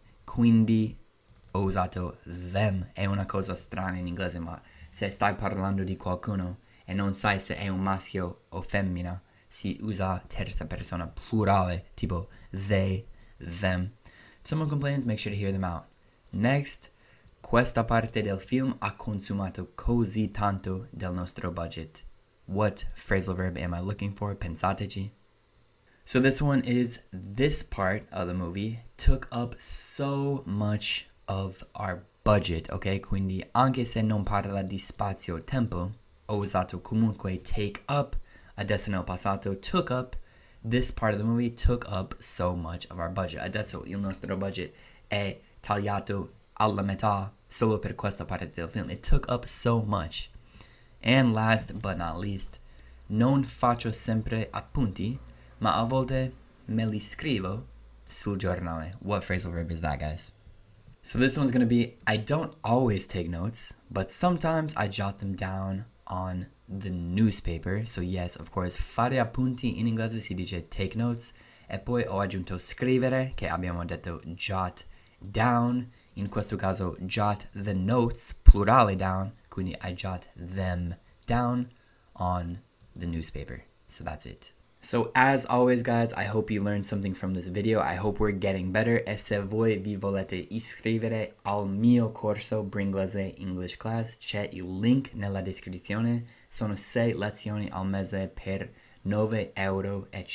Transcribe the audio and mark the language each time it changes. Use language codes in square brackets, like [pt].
[it] Quindi ho usato them. È una cosa strana in inglese, ma se stai parlando di qualcuno e non sai se è un maschio o femmina, si usa terza persona plurale, tipo they, them. [en] If someone complains, make sure to hear them out. Next. [it] Questa parte del film ha consumato così tanto del nostro budget. [en] What phrasal verb am I looking for? [it] Pensateci. [en] So this one is, this part of the movie took up so much of our budget, ok? [it] Quindi anche se non parla di spazio tempo, ho usato comunque take up, adesso nel passato, took up. [en] This part of the movie took up so much of our budget. [it] Adesso il nostro budget è tagliato alla metà solo per questa parte del film. [en] It took up so much. And last but not least, [it] non faccio sempre appunti, ma a volte me li scrivo sul giornale. [en] What phrasal verb is that, guys? So this one's gonna be, I don't always take notes, but sometimes I jot them down on the newspaper. So yes, of course, [it] fare appunti in inglese si dice take notes. E poi ho aggiunto scrivere, che abbiamo detto jot down. In questo caso, [en] jot the notes, plurale down, quindi I jot them down on the newspaper. So that's it. So as always, guys, I hope you learned something from this video. I hope we're getting better. [it] E se voi vi volete iscrivere al mio corso Bringlese English Class, c'è il link nella descrizione. Sono 6 lezioni al mese per 9,50 euro.